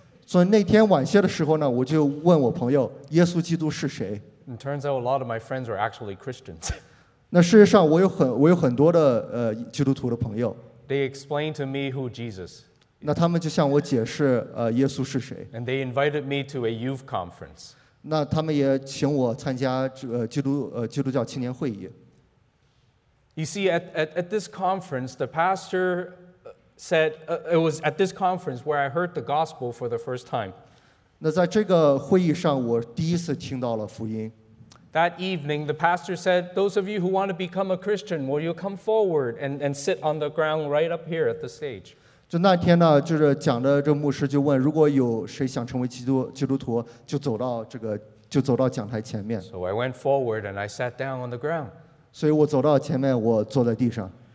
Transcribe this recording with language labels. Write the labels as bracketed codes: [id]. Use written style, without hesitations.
[zh] 所以那天晚些的时候呢，我就问我朋友，耶稣基督是谁 [en] ？It turns out a lot of my friends were actually Christians. [zh] 那事实上，我有很多的基督徒的朋友。 [en] They explained to me who Jesus. [zh] 那他们就向我解释耶稣是谁。 [en] And they invited me to a youth conference. [zh] 那他们也请我参加基督教青年会议。 [en] You see, at this conference, the pastor. Said it was at this conference where I heard the gospel for the first time. [zh] 那在这个会议上，我第一次听到了福音。 [en] That evening, the pastor said, "Those of you who want to become a Christian, will you come forward and sit on the ground right up here at the stage?" [zh] 就那天呢，就是讲的这牧师就问，如果有谁想成为基督徒，就走到讲台前面。 [en] So I went forward and I sat down on the ground. [zh] 所以我走到前面，我坐在地上。